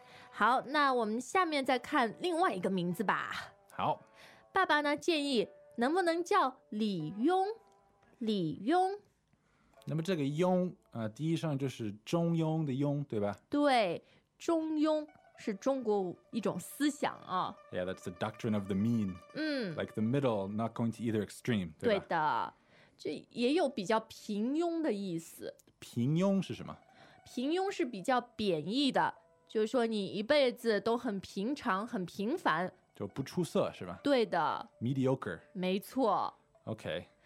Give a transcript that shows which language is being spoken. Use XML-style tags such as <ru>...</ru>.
<zh>好，那我们下面再看另外一个名字吧。好。爸爸呢建议能不能叫李庸，李庸。那么这个庸，第一声就是中庸的庸，对吧？对，中庸是中国一种思想啊。</zh> <en>Yeah, that's the doctrine of the mean. Like the middle, not going to either extreme.</en> <zh>对吧？对的，这也有比较平庸的意思。平庸是什么？平庸是比较贬义的，就是说你一辈子都很平常，很平凡。就不出色是吧？对的。</zh> <en>Mediocre。</en> <zh>没错。</zh> <en>OK。</en>